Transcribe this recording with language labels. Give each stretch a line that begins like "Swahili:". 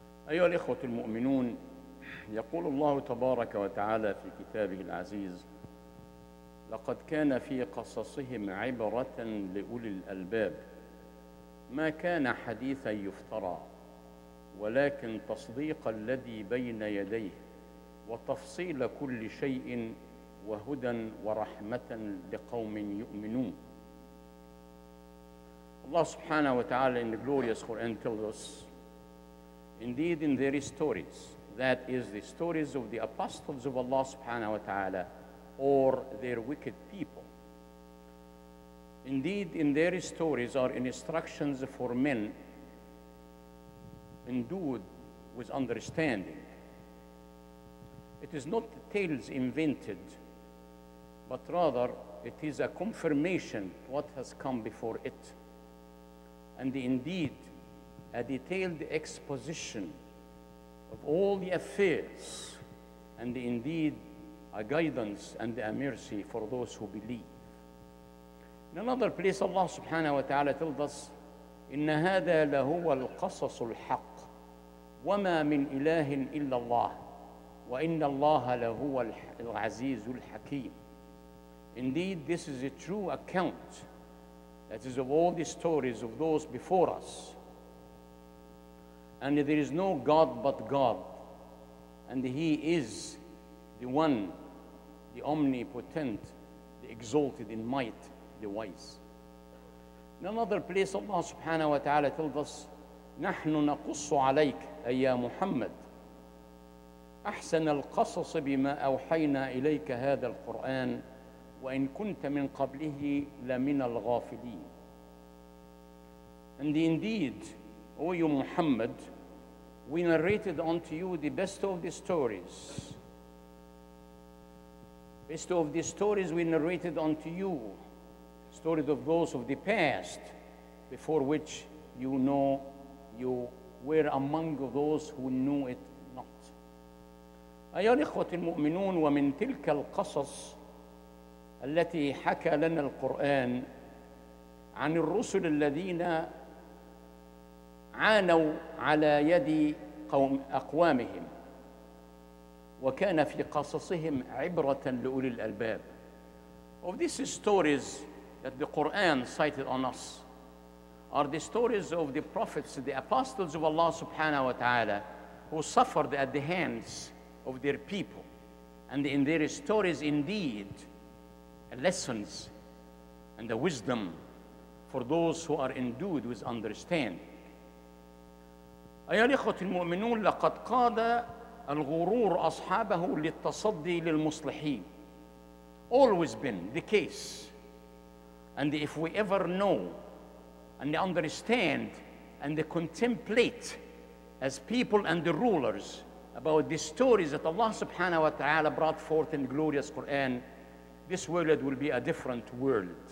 Arabic: أيها الإخوة المؤمنون، يقول الله تبارك وتعالى في كتابه العزيز: لقد كان في قصصهم عبرة لأولي الألباب ما كان حديثا يفترى ولكن تصديق الذي بين يديه وتفصيل كل شيء وهدى ورحمة لقوم يؤمنون. الله سبحانه وتعالى
English: in the glorious Quran tells us: indeed in their stories, that is the stories of the apostles of Allah subhanahu wa ta'ala or their wicked people. Indeed, in their stories are instructions for men endued with understanding. It is not the tales invented, but rather it is a confirmation what has come before it. And indeed, a detailed exposition of all the affairs, and indeed a guidance and a mercy for those who believe. In another place, Allah subhanahu wa ta'ala tells us,
Arabic: إِنَّ هَذَا لَهُوَ الْقَصَصُ الْحَقِّ وَمَا مِنْ إِلَهٍ إِلَّا اللَّهِ وَإِنَّ اللَّهَ لَهُوَ الْعَزِيزُ الْحَكِيمُ.
English: Indeed, this is a true account, that is of all the stories of those before us. And there is no God but God, and He is the One, the Omnipotent, the Exalted in Might, the Wise. In another place, Allah subhanahu wa ta'ala tells us,
Arabic: نَحْنُ نَقُصُّ عَلَيْكَ أَيَّا مُحَمَّدٍ أَحْسَنَ الْقَصَصِ بِمَا أَوْحَيْنَا إِلَيْكَ هَذَا الْقُرْآنِ وَإِنْ كُنْتَ مِنْ قَبْلِهِ لَمِنَ الْغَافِلِينَ.
English: And indeed, O you Muhammad, we narrated unto you the best of the stories. Best of the stories we narrated unto you, stories of those of the past, before which you know you were among those who knew it not.
Arabic: أيها الإخوة المؤمنون، ومن تلك القصص التي حكى لنا القرآن عن الرسل الذين عانوا على يد قوم أقوامهم وكان في قصصهم عبرة لأولي الألباب.
English: Of these stories that the Quran cited on us are the stories of the prophets, the apostles of Allah subhanahu wa ta'ala, who suffered at the hands of their people. And in their stories indeed, lessons and a wisdom for those who are endued with understanding.
Arabic: أيها الإخوة المؤمنون، لقد قاد الغرور أصحابه للتصدي للمصلحين.
English: Always been the case. And if we ever know and understand and contemplate as people and the rulers about the stories that Allah subhanahu wa ta'ala brought forth in the glorious Quran, this world will be a different world.